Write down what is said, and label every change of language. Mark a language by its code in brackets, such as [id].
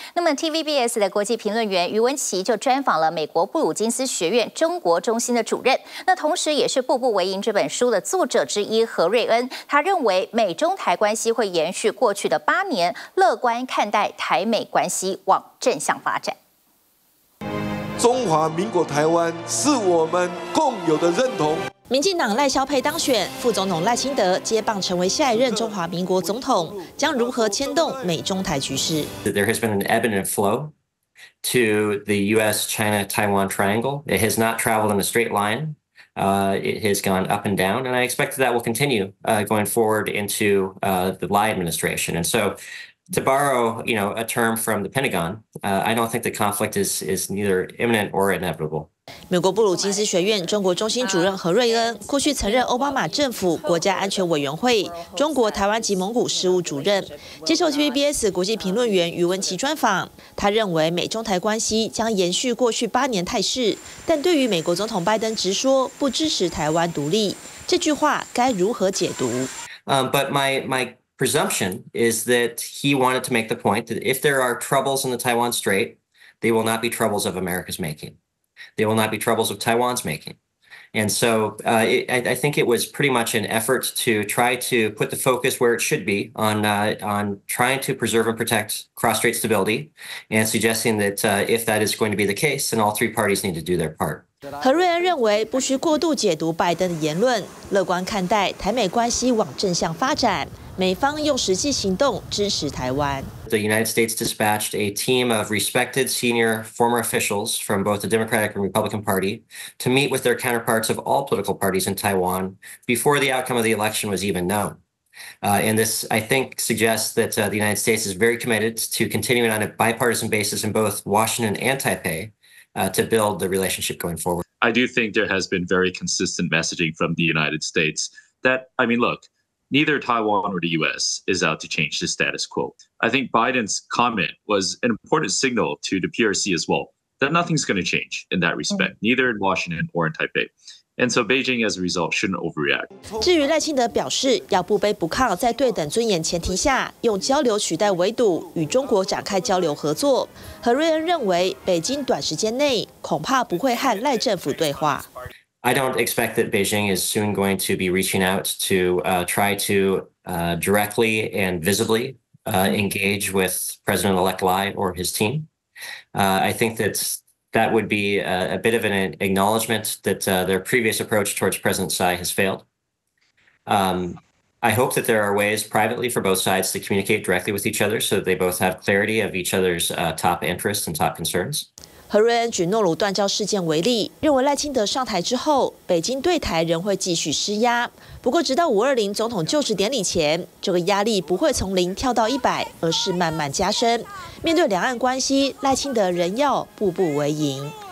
[zh] 那么 TVBS 的国际评论员余文琪就专访了美国布鲁金斯学院中国中心的主任，那同时也是《步步为营》这本书的作者之一何瑞恩，他认为美中台关系会延续过去的8年，乐观看待台美关系往正向发展。中华民国台湾是我们共有的认同。民进党赖萧沛当选，副总统赖清德接棒成为下一任中华民国总统，将如何牵动美中台局势 [en] ？There has been an ebb and flow to the U.S.-China-Taiwan triangle. It has not traveled in a straight line. It has gone up and down, and I expect that will continue going forward into the Lai administration. And so, to borrow, you know, a term from the Pentagon, I don't think the conflict is neither imminent or inevitable. [zh] 美国布鲁金斯学院中国中心主任何瑞恩过去曾任奥巴马政府国家安全委员会中国台湾及蒙古事务主任，接受 TVBS 国际评论员余文琪专访，他认为美中台关系将延续过去八年态势，但对于美国总统拜登直说不支持台湾独立这句话该如何解读？ [en] But my presumption is that he wanted to make the point that if there are troubles in the Taiwan Strait, they will not be troubles of America's makingThey will not be troubles of Taiwan's making. And so I think it was pretty much an effort to try to put the focus where it should be on trying to preserve and protect cross-strait stability and suggesting that if that is going to be the case, then all three parties need to do their part. [zh] 何瑞恩认为不需过度解读拜登的言论，乐观看待台美关系往正向发展，美方用实际行动支持台湾。 [en] The United States dispatched a team of respected senior former officials from both the Democratic and Republican Party to meet with their counterparts of all political parties in Taiwan before the outcome of the election was even known. And this, I think, suggests that the United States is very committed to continuing on a bipartisan basis in both Washington and Taipei to build the relationship going forward. I do think there has been very consistent messaging from the United States that, I mean, look,Neither Taiwan nor the U.S. is out to change the status quo. I think Biden's comment was an important signal to the PRC as well, that nothing's going to change in that respect, neither in Washington or in Taipei. And so Beijing, as a result, shouldn't overreact. [zh] 至于赖清德表示要不卑不亢，在对等尊严前提下，用交流取代围堵，与中国展开交流合作。何瑞恩认为，北京短时间内恐怕不会和赖政府对话。 [en] I don't expect that Beijing is soon going to be reaching out to try to directly and visibly engage with President-elect Lai or his team. I think that that would be a bit of an acknowledgement that their previous approach towards President Tsai has failed. I hope that there are ways privately for both sides to communicate directly with each other so that they both have clarity of each other's top interests and top concerns. [zh] 何瑞恩举诺鲁断交事件为例，认为赖清德上台之后，北京对台仍会继续施压。不过，直到520总统就职典礼前，这个压力不会从零跳到100，而是慢慢加深。面对两岸关系，赖清德仍要步步为营。